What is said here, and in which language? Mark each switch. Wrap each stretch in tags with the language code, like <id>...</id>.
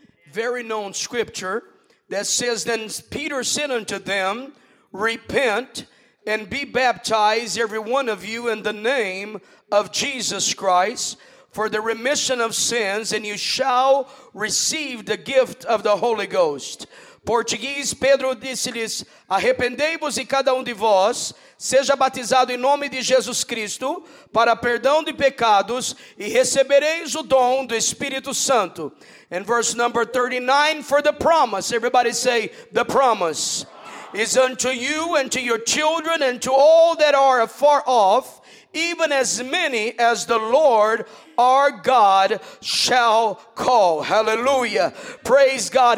<en>Very known scripture that says, "Then Peter said unto them, Repent and be baptized, every one of you, in the name of Jesus Christ, for the remission of sins, and you shall receive the gift of the Holy Ghost."</en> <pt>Português, Pedro disse-lhes, "Arrependei-vos e cada de vós seja batizado em nome de Jesus Cristo para perdão de pecados e recebereis o dom do Espírito Santo."</pt> <en>And verse number 39, "For the promise," everybody say, "the promise, is unto you and to your children and to all that are afar off, even as many as the Lord our God shall call." Hallelujah. Praise God.</en>